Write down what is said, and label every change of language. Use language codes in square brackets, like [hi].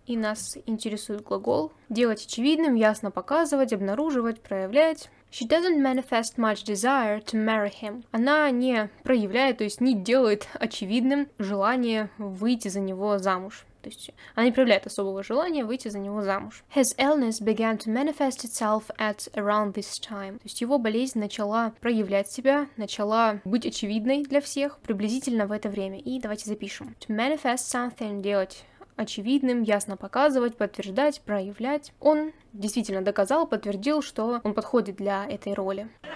[ru] И нас интересует глагол делать очевидным, ясно показывать, обнаруживать, проявлять. [en] She doesn't manifest much desire to marry him. [ru] Она не проявляет, то есть не делает очевидным желание выйти за него замуж. То есть она не проявляет особого желания выйти за него замуж. [en] His illness began to manifest itself at around this time. [ru] То есть его болезнь начала проявлять себя, начала быть очевидной для всех приблизительно в это время. И давайте запишем. [en] To manifest something, [ru] делать очевидным, ясно показывать, подтверждать, проявлять. Он действительно доказал, подтвердил, что он подходит для этой роли.